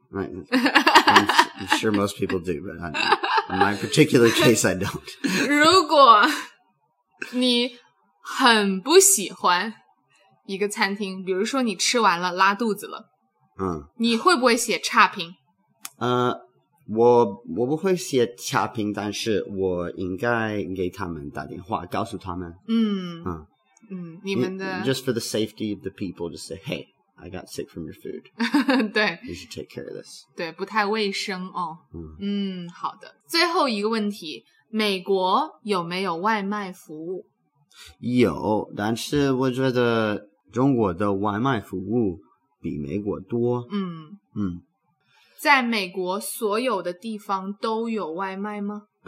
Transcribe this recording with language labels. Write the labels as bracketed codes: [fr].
[en] I'm sure most people do, but In my particular case, I don't. [zh] 如果你很不喜欢一个餐厅，比如说你吃完了拉肚子了，嗯，你会不会写差评？我不会写差评，但是我应该给他们打电话，告诉他们。嗯嗯嗯，你们的 [en] just for the safety of the people, just say, "Hey, I got sick from your food." [zh] 对 [en] ，you should take care of this. [zh] 对，不太卫生哦。嗯, 嗯，好的。最后一个问题，美国有没有外卖服务？有，但是我觉得中国的外卖服务比美国多。嗯嗯，在美国所有的地方都有外卖吗？